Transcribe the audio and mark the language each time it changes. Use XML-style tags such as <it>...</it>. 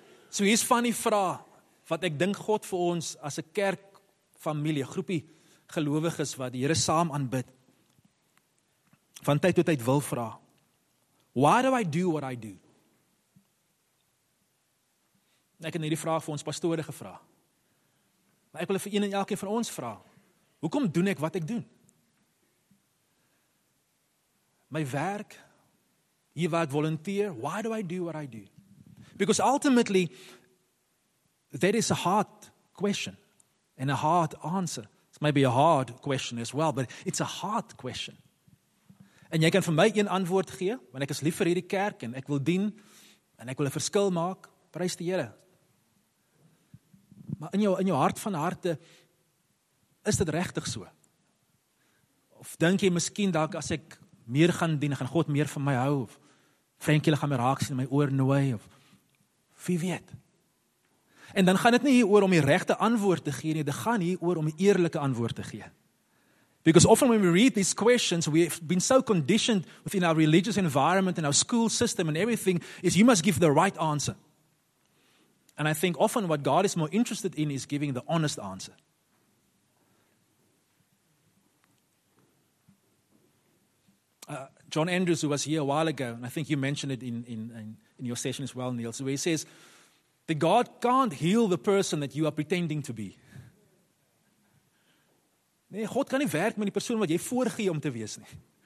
<af>So hier is van die vraag, wat ek dink God vir ons as 'n kerk, familie, groepie gelowiges wat die Here saam aanbid, van tyd tot tyd wil vra.</af> <en>Why do I do what I do?</en> <af>Ek het hierdie vraag vir ons pastore gevra. Maar ek wil vir een en elkeen van ons vra. Hoekom doen ek wat ek doen? My werk, hier waar ek volunteer,</af> <en>why do I do what I do? Because ultimately, that is a hard question and a hard answer. It's maybe a hard question as well, but it's a hard question.</en> <af>En jy kan vir my een antwoord gee, want ek is lief vir hierdie kerk en ek wil dien en ek wil 'n verskil maak, prys die Here. Maar in jou hart van harte, is dit regtig so? Of dink jy miskien dalk as ek meer gaan dien, gaan God meer van my hou, of Frenkie gaan my raak sien, my oor nooi, of wie weet? En dan gaan dit nie hier oor om die regte antwoord te gee nie, dit gaan hier oor om die eerlike antwoord te gee.</af> <en>Because often when we read these questions, we have been so conditioned within our religious environment and our school system and everything, is you must give the right answer. And I think often what God is more interested in is giving the honest answer. John Andrews, who was here a while ago, and I think you mentioned it in your session as well, Niels, where he says, that God can't heal the person that you are pretending to be.</en> <af>Nee, God kan nie werk met die persoon wat jy voorgee om te wees nie.</af>